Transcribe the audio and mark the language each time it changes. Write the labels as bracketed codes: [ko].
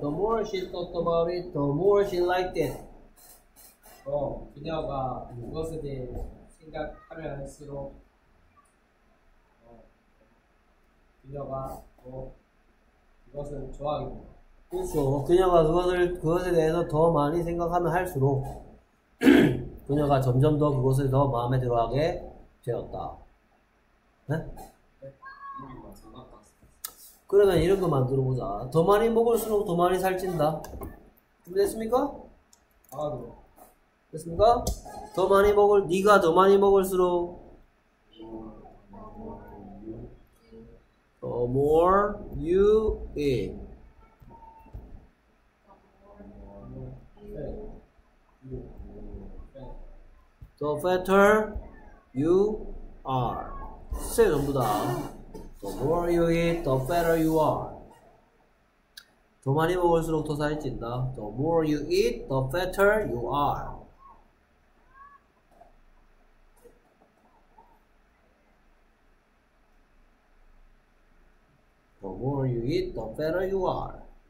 [en] The more she thought about it, the more she liked it. [ko] 그녀가 그것에 대해 생각하면 할수록. 그녀가 더 그것을 좋아하게 그렇죠. 그녀가 그것에 대해서 더 많이 생각하면 할수록 그녀가 점점 더 그것을 더 마음에 들어하게 되었다. 네? 그러면 이런 거 만들어보자. 더 많이 먹을수록 더 많이 살찐다. 준비됐습니까? 아, 네. 됐습니까? 더 많이 먹을 네가 더 많이 먹을수록 [en] The more you eat. The fatter you are. [ko] 세 전부 다. [en] The more you eat, the fatter you are. [ko] 더 많이 먹을수록 더 살이 찐다. [en] The more you eat, the fatter you are. The more you eat, the fatter you are.